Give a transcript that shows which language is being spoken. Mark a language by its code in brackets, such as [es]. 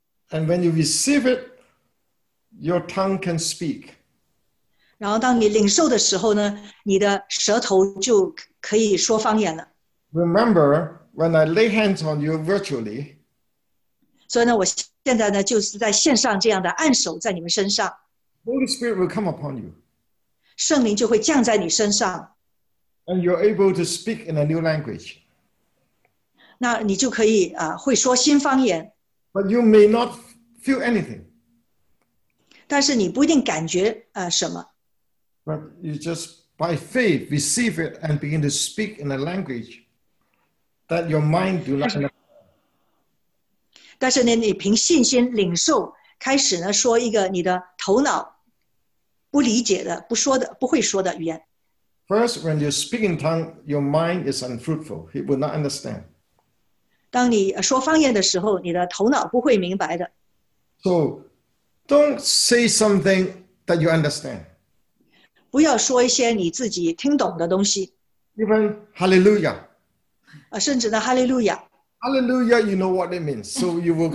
[en] And when you receive it, your tongue can speak. [zh] 然后当你领受的时候呢，你的舌头就可以说方言了。 [en] Remember, when I lay hands on you virtually, [zh] 所以呢，我现在呢，就是在线上这样的按手在你们身上。 [en] Holy Spirit will come upon you. [zh] 圣灵就会降在你身上。 [en] And you're able to speak in a new language. [zh] 那你就可以啊，会说新方言。 [en] But you may not feel anything. [zh] 但是你不一定感觉什么。 [en] But you just by faith receive it and begin to speak in a language that your mind do not understand. [zh] 但是呢，你凭信心领受，开始呢说一个你的头脑不理解的、不说的、不会说的语言。 [en] First, when you speak in tongue, your mind is unfruitful; it will not understand. [zh] 当你说方言的时候，你的头脑不会明白的。 [en] So, don't say something that you understand. [zh] 不要说一些你自己听懂的东西。 [en] Even hallelujah. [zh] 甚至呢 hallelujah. [en] Hallelujah, you know what it means, so you will.